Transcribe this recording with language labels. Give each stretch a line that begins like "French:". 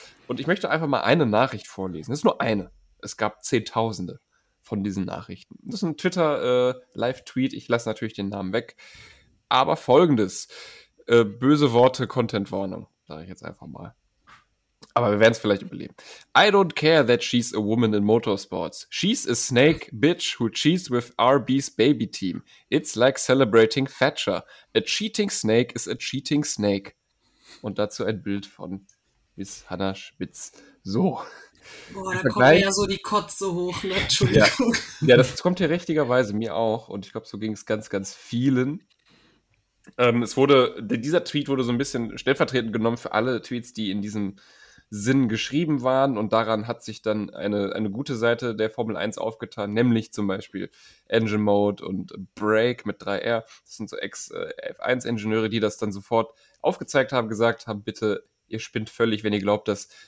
German: Und ich möchte einfach mal eine Nachricht vorlesen. Es ist nur eine. Es gab Zehntausende von diesen Nachrichten. Das ist ein Twitter-Live-Tweet. Ich lasse natürlich den Namen weg. Aber folgendes, böse Worte, Content-Warnung, sage ich jetzt einfach mal. Aber wir werden es vielleicht überleben.
English: I don't care that she's a woman in motorsports. She's a snake bitch who cheats with RB's baby team. It's like celebrating Thatcher. A cheating snake is a cheating snake.
German: Und dazu ein Bild von Miss Hannah Spitz. So. Boah, da kommt mir ja so die Kotze hoch, ne? Entschuldigung. Ja, das kommt hier richtigerweise mir auch. Und ich glaube, so ging es ganz, ganz vielen. Es wurde, dieser Tweet wurde so ein bisschen stellvertretend genommen für alle Tweets, die in diesem Sinn geschrieben waren, und daran hat sich dann eine gute Seite der Formel 1 aufgetan, nämlich zum Beispiel Engine Mode und Brake mit 3R, das sind so Ex-F1-Ingenieure, die das dann sofort aufgezeigt haben, gesagt haben, bitte, ihr spinnt völlig, wenn ihr glaubt, dass